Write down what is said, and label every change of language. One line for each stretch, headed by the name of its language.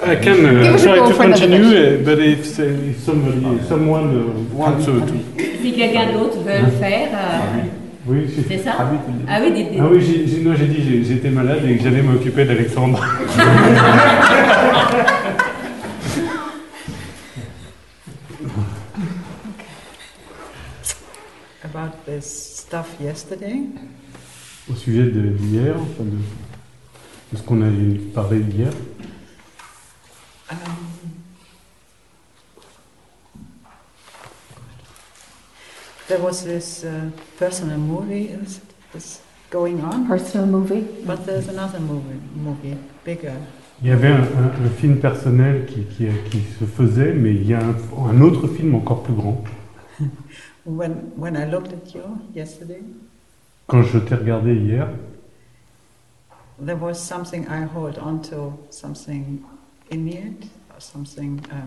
English: I can try to continue, but if someone wants to.
French: Si quelqu'un d'autre veut le faire. Oui, c'est ça. Ah oui, dites-le. Ah oui, j'ai dit j'étais malade et que j'allais m'occuper d'Alexandre.
English: This stuff yesterday.
French: Au sujet d'hier, enfin de ce qu'on a parlé hier.
English: There was this personal movie that's going on. Personal movie. But there's another movie bigger.
French: Il y avait un film personnel qui se faisait, mais il y a un autre film encore plus grand.
English: When I looked at you yesterday,
French: quand je t'ai regardé hier,
English: there was something I hold onto, something in me, or something.